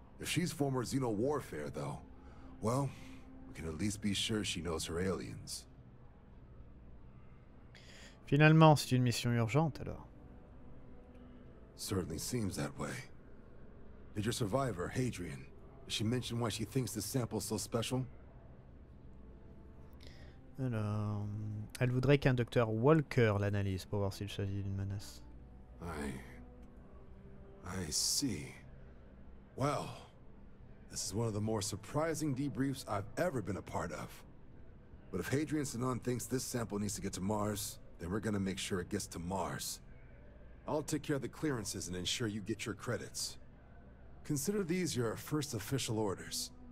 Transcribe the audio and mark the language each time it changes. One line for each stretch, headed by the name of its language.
English: If she's former Xeno Warfare, though, well, we can at least be sure she knows her aliens.
French: Finalement, c'est une mission urgente, alors.
English: Certainly seems that way. Did your survivor, Hadrian, did she mention why she thinks the sample's so special?
French: Alors, elle voudrait qu'un docteur Walker l'analyse pour voir s'il s'agit d'une menace.
English: I see. Well, this is one of the more surprising debriefs I've ever been a part of. But if Hadrian Sanon thinks this sample needs to get to Mars, then we're gonna make sure it gets to Mars. I'll take care of the clearances and ensure you get your credits. Consider these your first official orders.